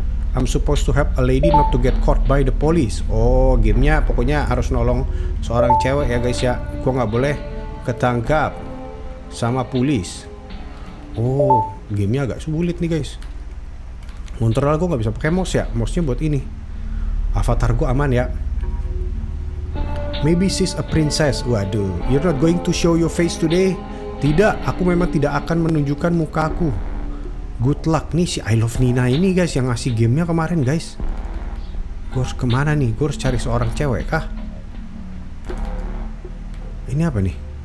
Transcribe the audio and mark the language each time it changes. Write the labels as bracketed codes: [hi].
[en] I'm supposed to help a lady not to get caught by the police. [id] Oh, gamenya pokoknya harus nolong seorang cewek ya guys ya. Gua gak boleh ketangkap sama polis. Oh, gamenya agak sulit nih guys. Ngontrol gua gak bisa pakai mouse ya. Mouse-nya buat ini. Avatar gua aman ya. [en] Maybe she's a princess. Waduh, you're not going to show your face today. [id] Tidak, aku memang tidak akan menunjukkan mukaku. [en] Good luck [id] nih si I Love Nina ini guys yang ngasih gamenya kemarin guys. Gue harus kemana nih? Gue harus cari seorang cewek kah? Ini apa nih?